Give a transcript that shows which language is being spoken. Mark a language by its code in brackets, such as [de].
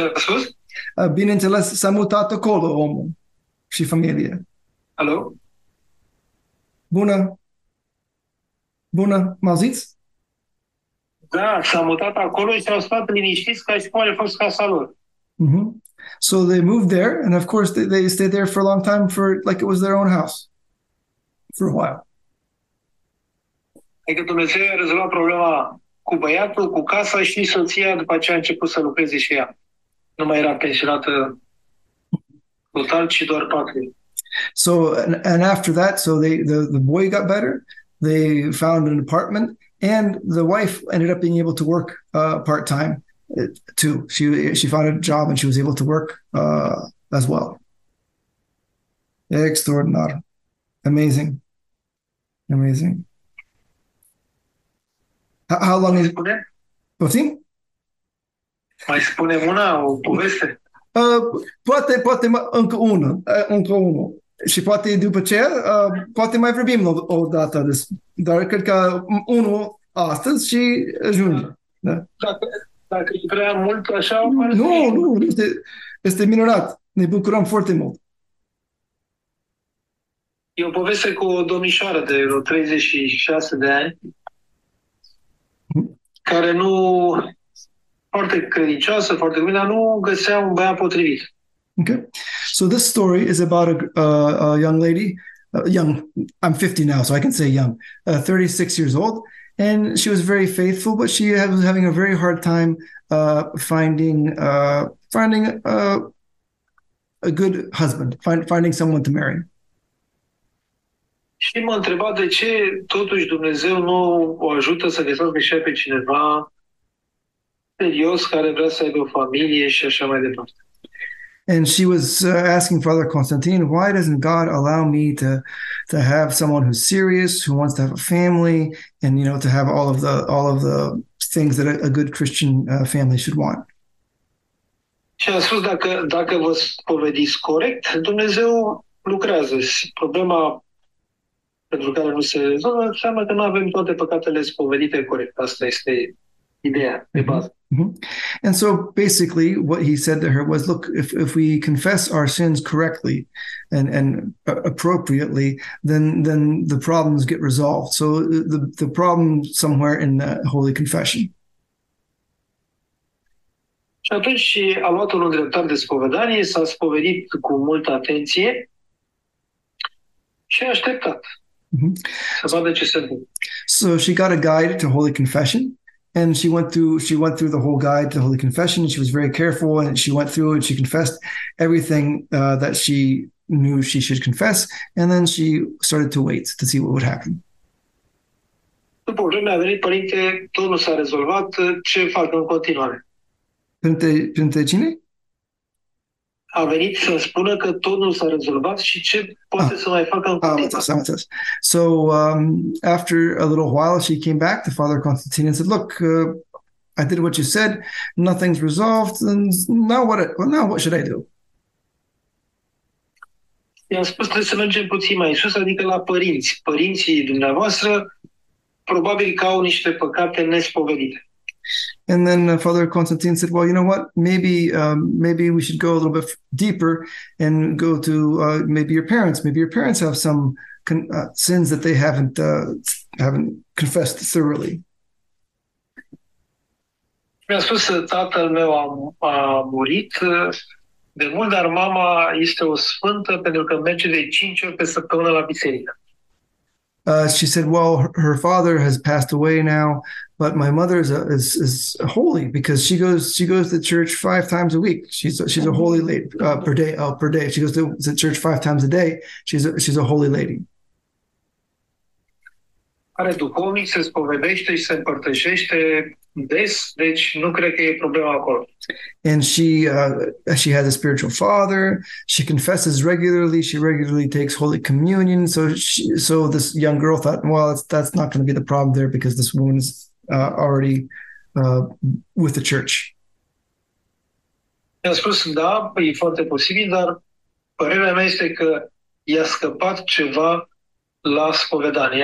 [ro] a spus? Bineînțeles, s-a mutat acolo omul și familie. Alo? Bună, m-auziți? Da, s-a mutat acolo și au stat liniștiți ca și cum a fost casa lor. Mm-hmm. [en] So they moved there and of course they stayed there for a long time for like it was their own house for a while. [ro] Adică Dumnezeu a rezolvat problema cu băiatul, cu casa și soția după ce a început să lucreze și ea. Nu mai era pensionată total, ci doar patru. [en] So and after that, so they the boy got better. They found an apartment, and the wife ended up being able to work part time too. She found a job and she was able to work as well. Extraordinary, amazing. How long is it? 15. [ro] Mai spune una, o poveste? Poate încă una. Și poate după ce, poate mai vorbim o dată. Dar cred că unul astăzi și ajunge. Da. Dacă e prea mult așa, Nu, este minunat. Ne bucurăm foarte mult. E o poveste cu o domnișoară de 36 de ani care nu... foarte credincioasă, foarte bine, dar nu găsea un băiat potrivit. [en] Okay. So this story is about a young lady, I'm 50 now, so I can say young, 36 years old, and she was very faithful, but she was having a very hard time finding a good husband, finding someone to marry. [ro] Și m-a întrebat de ce totuși Dumnezeu nu o ajută să găsească și pe cineva serios, care vrea să aibă o familie și așa mai departe. [en] And she was asking Father Constantine, why doesn't God allow me to have someone who's serious, who wants to have a family, and, you know, to have all of the things that a good Christian family should want. [ro] Și a spus, dacă vă spovediți corect, Dumnezeu lucrează. Problema pentru care nu se rezolvă înseamnă că nu avem toate păcatele spovedite corect. Asta este ideea de bază. [en] And so basically what he said to her was, look, if we confess our sins correctly and appropriately, then the problems get resolved. So the problem somewhere in the holy confession. [ro] Și atunci a luat un dreptar de spovedanie, s-a spovedit cu multă atenție și a așteptat să vadă ce se întâmplă. [en] So she got a guide to holy confession. And she went through the whole guide to holy confession. She was very careful, and she went through and she confessed everything that she knew she should confess, and then she started to wait to see what would happen. So after a little while, she came back to Father Constantine and said, look, I did what you said, nothing's resolved, and now what? Well, now what should I do? [ro] I-am spus, trebuie să mergem puțin mai sus, adică la părinți. Părinții dumneavoastră probabil că au niște păcate nespovedite. [en] And then Father Constantine said, well, you know what, maybe we should go a little bit deeper and go to maybe your parents. Maybe your parents have some sins that they haven't confessed thoroughly. [ro] Mi-a spus, tatăl meu a murit de mult, dar mama este o sfântă pentru că merge de 5 ori pe săptămână la biserică. [en] She said, well, her father has passed away now, but my mother is holy because she goes to church 5 times a week. She's a holy lady per day. She goes to the church 5 times a day. She's a holy lady. [ro] Are duhovnic, se spovedește și se împărtășește des, deci nu cred că e problema acolo. [en] And she has a spiritual father. She confesses regularly. She regularly takes Holy Communion. So this young girl thought, well, that's not going to be the problem there because this woman is already with the church. [ro] I-a spus, da, e foarte posibil, dar părerea mea este că i-a scăpat ceva la spovedanie.